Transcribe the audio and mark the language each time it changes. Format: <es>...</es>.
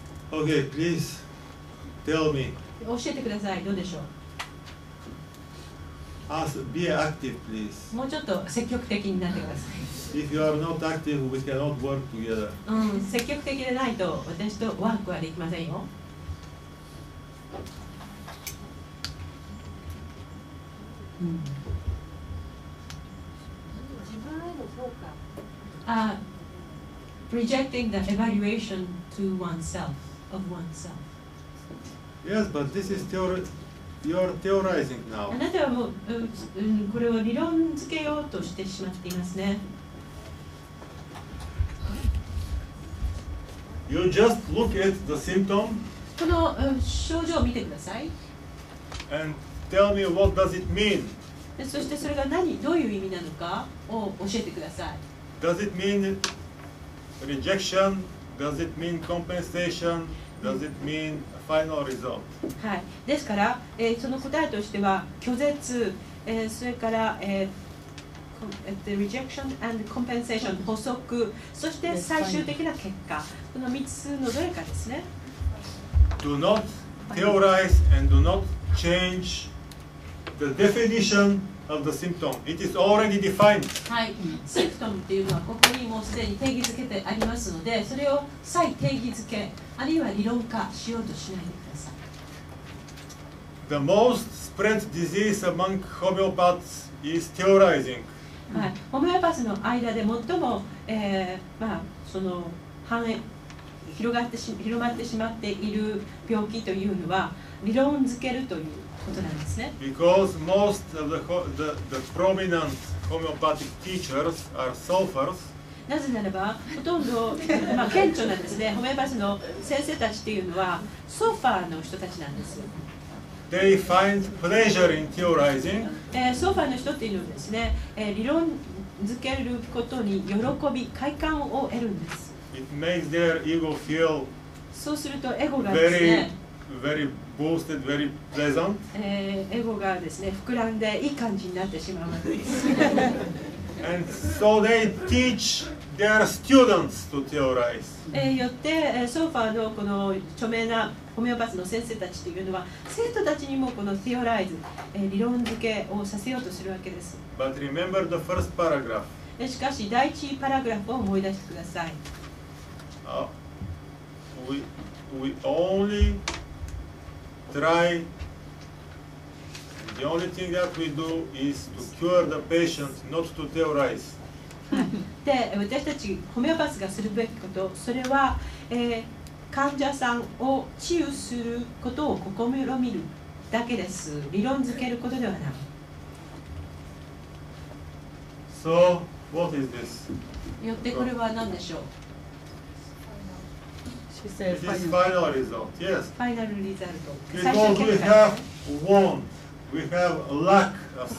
<en>Okay, please tell me.</en> <ja>教えてください。どうでしょう。</ja> <en>Be active, please.</en> <ja>もうちょっと積極的になってください。</ja> <en>If you are not active, we cannot work together.</en> <ja>積極的でないと私とワークはできませんよ。自分への評</ja> <en>価。Rejecting the evaluation to oneself. Of oneself. Yes, but this is you are theorizing now.</en> <ja>あなたはもう、これを理論付けようとしてしまっていますね。</ja> <en>You just look at the symptom.</en> <ja>この、症状を見てください。</ja> <en>And tell me what does it mean.</en> <ja>そしてそれが何、どういう意味なのかを教えてください。</ja> <en>Does it mean rejection? Does it mean compensation? Does it mean a final result?</en> <ja>はい。ですから、その答えとしては拒絶、それから、</ja> <en>the rejection and compensation</en> <ja>補足、そして最終的な結果、この3つのどれかですね。</ja> <en>Do not theorize and do not change the definition of the symptom. It is already defined.</en> <ja>はい。シンプトムというのはここにもうすでに定義付けてありますので、それを再定義付け、あるいは理論化しようとしないでください。</ja> <en>The most spread disease among homeopaths is theorizing.</en> <ja>はい。ホメオパスの間で最も、まあ、その繁栄、広まってしまっている病気というのは、理論付けるという。</ja> <en>Because most of the prominent homeopathic teachers are sulfurs.</en> <ja>なぜならば、ほとんど、まあ、顕著なんですね。ホメオパスの先生たちっていうのは、ソファーの人たちなんです。</ja> <en>They find pleasure in theorizing.</en> <ja>ソファーの人っていうのはですね、理論づけることに喜び、快感を得るんです。</ja> <en>It makes their ego feel</en> <ja>そうすると、エゴが</ja> <en>ですね、very boosted, very pleasant.</en> <ja>エゴがですね、膨らんでいい感じになってしまうわけです。</ja> <en>And so they teach their students to theorize.</en> <ja>よって、ソファーのこの著名なホメオパスの先生たちというのは、生徒たちにもこのtheorize、理論付けをさせようとするわけです。</ja> <en>But remember the first paragraph.</en> <ja>しかし、第一パラグラフを思い出してください。</ja> <en>We onlytry the only thing that we do is to cure the patient, not to theorize.</en> <ja>で、私たちホメオパスがするべきこと、それは、患者さんを治癒することを試みるだけです。理論づけることではない。</ja> <en>So, what is this?</en> <ja>よってこれは何でしょう。</ja> <en>This is final result. Yes. Final result. Because we have want, we have lack of something.</en>